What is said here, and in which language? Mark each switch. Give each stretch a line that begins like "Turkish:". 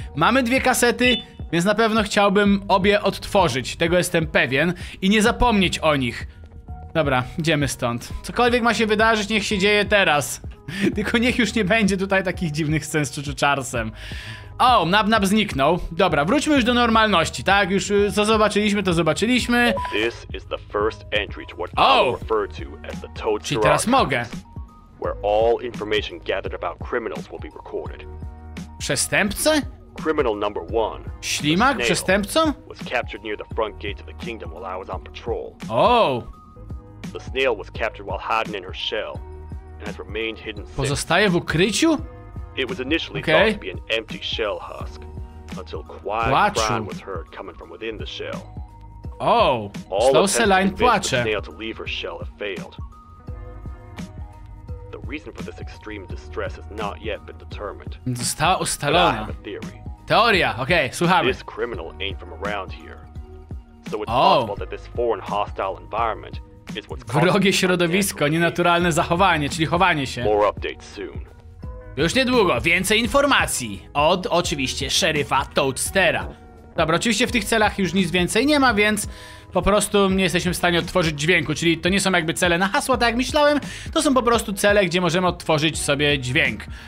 Polish: Mamy dwie kasety, więc na pewno chciałbym obie odtworzyć. Tego jestem pewien. I nie zapomnieć o nich. Dobra, idziemy stąd. Cokolwiek ma się wydarzyć, niech się dzieje teraz. Tylko niech już nie będzie tutaj takich dziwnych scen z Chuchu Charlesem. O, Nab zniknął. Dobra, wróćmy już do normalności, tak? Już co zobaczyliśmy, to zobaczyliśmy.
English: This is the first entry to what I refer to as the Toad
Polish: Chiron. Teraz mogę.
English: Where all information gathered about criminals will be recorded.
Polish: Przestępcę?
English: Criminal number one.
Polish: Ślimak, przestępcą?
English: Was captured near the front gate of the kingdom while I was on patrol. Oh. The snail was captured while hiding in her shell and has remained hidden since.
Polish: Pozostaje w ukryciu?
English: It was initially okay. Thought to be an empty shell husk, until quiet cry was heard coming from within the shell. Oh, all slow saline płacze. The snail to leave her shell have failed. The reason for this extreme distress has not yet been determined.
Polish: Została ustalona.
English: But I have a theory.
Polish: Teoria, okej, okay, słuchamy.
English: This criminal ain't from around here. So it's possible that this foreign hostile environment is what's
Polish: wrogie środowisko, nienaturalne zachowanie, czyli chowanie się.
English: More updates soon.
Polish: Już niedługo, więcej informacji od, oczywiście, szeryfa Toadstera. Dobra, oczywiście w tych celach już nic więcej nie ma, więc po prostu nie jesteśmy w stanie odtworzyć dźwięku, czyli to nie są jakby cele na hasła, tak jak myślałem, to są po prostu cele, gdzie możemy odtworzyć sobie dźwięk.